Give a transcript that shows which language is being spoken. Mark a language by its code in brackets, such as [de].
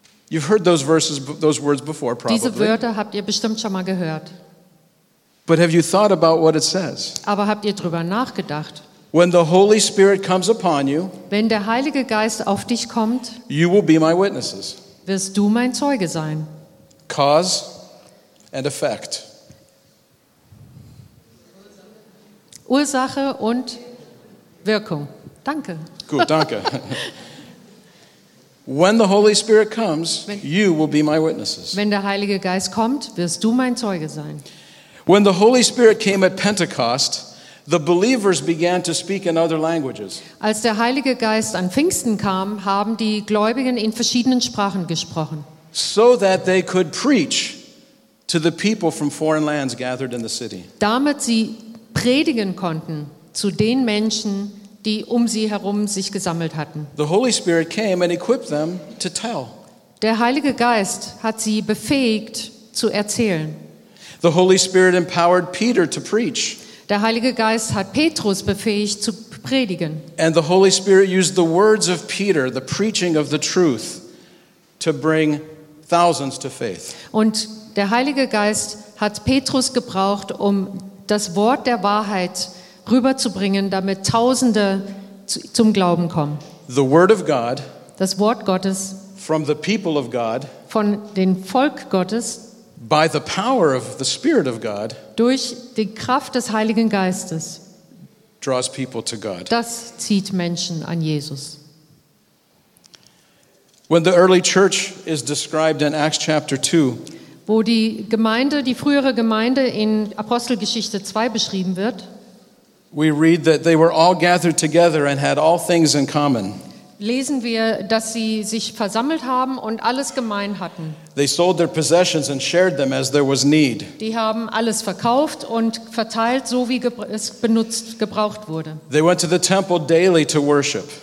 [en] You've heard those verses, those words before, probably. [de] Diese Wörter habt ihr bestimmt schon mal gehört. [en] But have you thought about what it says? [de] Aber habt ihr drüber nachgedacht? [en] When the Holy Spirit comes upon you, [de] wenn der Heilige Geist auf dich kommt, [en] you will be my witnesses. [de] Wirst du mein Zeuge sein. [en] Cause and effect. [de] Ursache und Wirkung. Danke. Gut, danke. [en] When the Holy Spirit comes, you will be my witnesses. [de] Wenn der Heilige Geist kommt, wirst du mein Zeuge sein. [en] When the Holy Spirit came at Pentecost, the believers began to speak in other languages. [de] Als der Heilige Geist an Pfingsten kam, haben die Gläubigen in verschiedenen Sprachen gesprochen. [en] So that they could preach to the people from foreign lands gathered in the city. [de] Damit sie predigen konnten zu den Menschen, die um sie herum sich gesammelt hatten. [en] The Holy Spirit came and equipped them to tell. [de] Der Heilige Geist hat sie befähigt zu erzählen. [en] The Holy Spirit empowered Peter to preach. [de] Der Heilige Geist hat Petrus befähigt zu predigen. [en] And the Holy Spirit used the words of Peter, the preaching of the truth, to bring thousands to faith. [de] Und der Heilige Geist hat Petrus gebraucht, um das Wort der Wahrheit rüberzubringen, damit Tausende zum Glauben kommen. [en] The word of God, [de] das Wort Gottes, [en] from the people of God, [de] von dem Volk Gottes, [en] by the power of the Spirit of God, [de] durch die Kraft des Heiligen Geistes, [en] draws people to God. [de] Das zieht Menschen an Jesus. [en] When the early church is described in Acts chapter 2, [de] wo die Gemeinde, die frühere Gemeinde in Apostelgeschichte 2 beschrieben wird, [en] we read that they were all gathered together and had all things in common. [de] Lesen wir, dass sie sich versammelt haben und alles gemein hatten. [en] They sold their possessions and shared them as there was need. [de] Die haben alles verkauft und verteilt, so wie es benutzt, gebraucht wurde. [en] They went to the temple daily to worship.